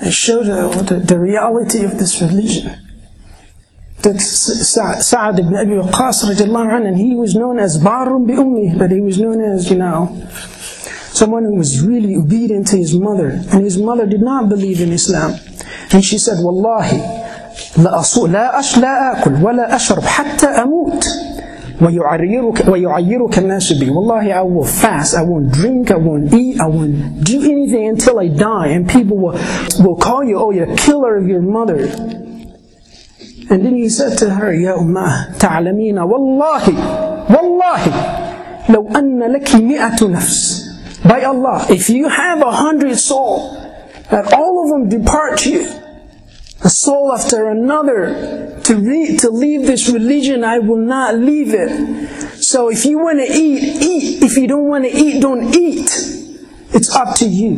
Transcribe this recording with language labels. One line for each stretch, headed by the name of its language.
English: They showed the reality of this religion. That Sa'd ibn Abi Waqqas radiallahu anhu, and he was known as Barun bi Ummi, but he was known as, you know, someone who was really obedient to his mother. And his mother did not believe in Islam. And she said, "Wallahi,
Arabic: لا أكل ولا أشرب حتى أموت. وَيُعَيِّرُكَ النَّاسُ بِي.
English: Wallahi, I will fast, I won't drink, I won't eat, I won't do anything until I die. And people will call you, oh, you're the killer of your mother. And then he said to her,
Arabic: يَا أُمَّهَ تَعْلَمِينَ وَاللَّهِ وَاللَّهِ لَوْ أَنَّ لَكِ مِئَةُ نَفْسٍ.
English: By Allah, if you have 100 soul, that all of them depart you, a soul after another, to leave this religion, I will not leave it. So if you want to eat, eat. If you don't want to eat, don't eat. It's up to you.